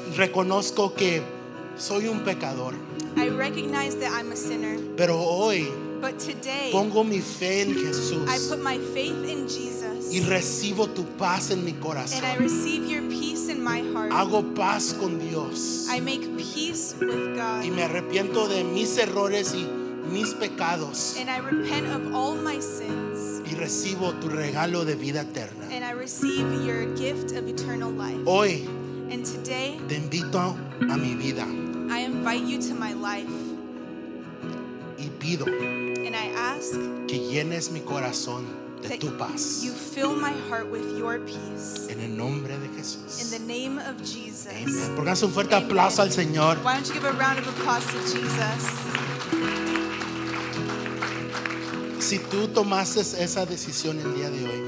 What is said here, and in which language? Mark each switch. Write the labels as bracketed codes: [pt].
[es] Reconozco que soy un pecador. [en] I recognize that I'm a sinner. [es] Pero hoy. [en] But today, [es] pongo mi fe en Jesús, [en] I put my faith in Jesus, [es] y recibo tu paz en mi corazón, [en] and I receive your peace in my heart. [es] Hago paz con Dios, [en] I make peace with God, [es] y me arrepiento de mis errores y mis pecados, [en] and I repent of all my sins, [es] y recibo tu regalo de vida eterna, [en] and I receive your gift of eternal life. [es] Hoy, [en] and today, [es] te invito a mi vida. [en] I invite you to my life. [es] Y pido, [en] and I ask, [es] que llenes mi corazón de tu paz. [en] You fill my heart with your peace. [es] En el nombre de Jesús. [en] In the name of Jesus. [es] Amen. Porque hace un fuerte Amen. Aplauso al Señor. [en] Why don't you give a round of applause to Jesus? [es] Si tú tomases esa decisión el día de hoy,